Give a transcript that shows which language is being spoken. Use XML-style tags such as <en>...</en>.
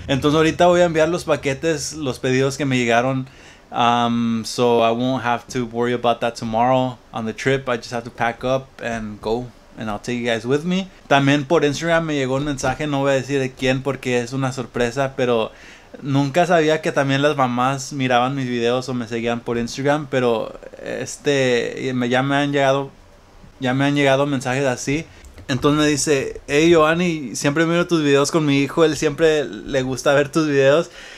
<es>Entonces ahorita voy a enviar los paquetes, los pedidos que me llegaron.</es> <en>So I won't have to worry about that tomorrow on the trip. I just have to pack up and go, and I'll take you guys with me.</en> <es>También por Instagram me llegó un mensaje, no voy a decir de quién porque es una sorpresa, pero nunca sabía que también las mamás miraban mis videos o me seguían por Instagram, pero ya me han llegado mensajes así. Entonces me dice, hey, Giovanni, siempre miro tus videos con mi hijo, él siempre le gusta ver tus videos.</es>